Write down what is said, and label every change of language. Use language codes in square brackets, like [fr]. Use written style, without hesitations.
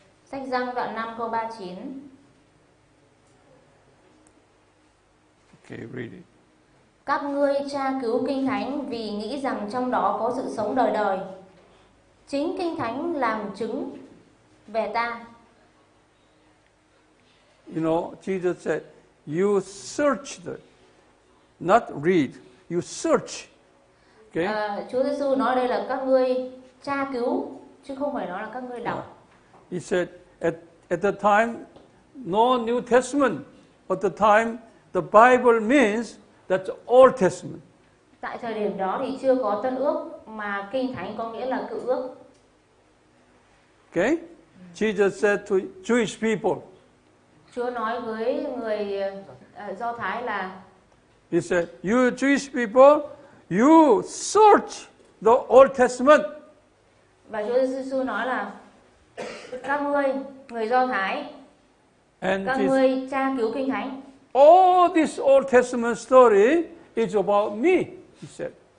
[vi] Sách Giăng đoạn 5 câu 39. [en] Okay, read it. [vi] Các ngươi tra cứu Kinh Thánh vì nghĩ rằng trong đó có sự sống đời đời. Chính Kinh Thánh làm chứng về ta. [en] You know, Jesus said, you search, not read, you search. Okay. [vi] Chúa Giêsu nói đây là các ngươi tra cứu, chứ không phải nói là các ngươi đọc. [en] He said, at the time, no New Testament. At the time, the Bible means that's Old Testament. [vi] Tại thời điểm đó thì chưa có Tân Ước, mà Kinh Thánh có nghĩa là Cựu Ước. [en] Okay? Jesus said to Jewish people. [vi] Chúa nói với người Do Thái là. [en] He said, you Jewish people, you search the Old Testament. [vi] Và Chúa Giêsu nói là các ngươi người Do Thái, [en] and [vi] các ngươi tra cứu Kinh Thánh. [en] All this Old Testament story is about me, he said.